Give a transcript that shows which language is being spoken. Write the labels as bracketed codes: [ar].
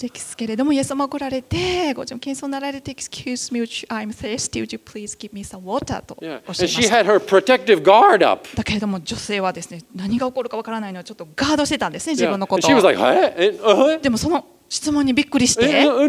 [ja] ですけれどもイエス様来られてご自分謙遜になられて [en] Excuse me, I'm thirsty. Would you please give me some water? [ja] とおっしゃいました。 [en] And she had her protective guard up. [ja] だけれども女性はですね何が起こるかわからないのをちょっとガードしてたんですね自分のことを。 [en] She was like, "Hey?" [ja] でもその質問にびっくりして。